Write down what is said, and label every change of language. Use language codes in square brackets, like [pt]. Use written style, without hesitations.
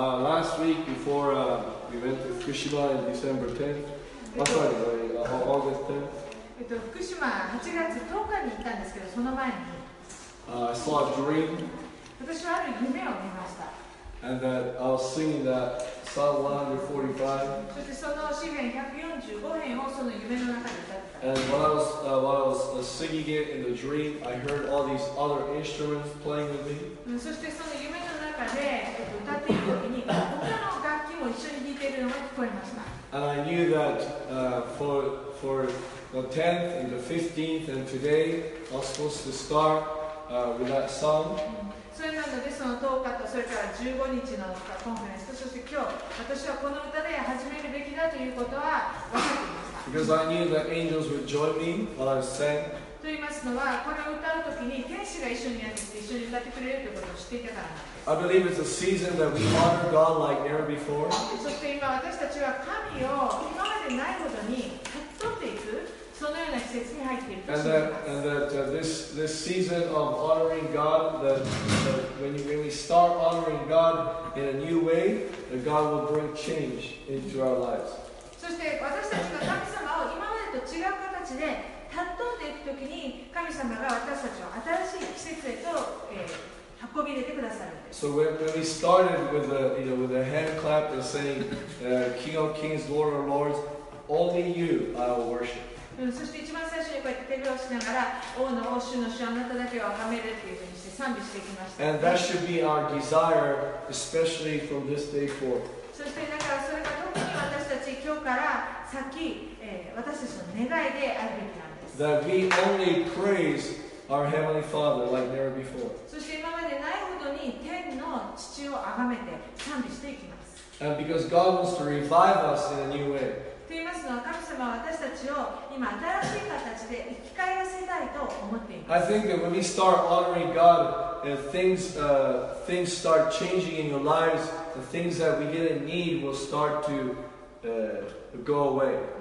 [en] アメン。Last week before we went to Fukushima in December 10th, August 10th. [ja] 福島は8月10日に行ったんですけど、その前に。 [en] I saw a dream. [ja] 私はある夢を見ました。 [en] And that I was singing that Psalm 145. [ja] そしてその詩篇145編をその夢の中で歌った。 [en] And while I was singing it in the dream, I heard all these other instruments playing with me. [ja] そしてその夢の中で歌っている時に他の楽器も一緒に弾いているのが聞こえました。 [en] And I knew that for the 10th and the 15th and today, I was supposed to start with that song. [ja] それなのでその10日とそれから15日のコンフェレンスとそして今日私はこの歌で始めるべきだということは分かっています。 [en] Because I knew that angels would join me while I sang. [ja] と言いますのは、これを歌うときに天使が一緒に歌ってくれるということを知っていたからなんです。 [en] I believe it's a season that we honor God like never before. [ja] そして今私たちは神を今までないほどに取っていく、そのような季節に入っていると知っています。 [en] And this season of honoring God, when we start honoring God in a new way, that God will bring change into our lives. [ja] そして私たちが神様を今までと違う形で尊んでいくときに神様が私たちを新しい季節へと、運び入れてくださるんです。 [en] So when we started with a, you know, with a hand clap and saying, King of Kings, Lord of Lords, only you I will worship. [ja] そして一番最初にこうやって手拍子しながら王の王主の主あなただけを崇めるというふうにして賛美していきました。 [en] And that should be our desire, especially from this day forth. [ja] そしてだからそれが特に私たち今日から先、私たちの願いであるべきなんです。 [en] That we only praise our Heavenly Father like never before. [ja] そして今までないほどに天の父を崇めて賛美していきます。 [en] And because God wants to revive us in a new way. [ja] と言いますのは神様は私たちを今新しい形で生き返らせたいと思っています。 [en] I think that when we start honoring God, things start changing in your lives. The things that we didn't need will start to go away.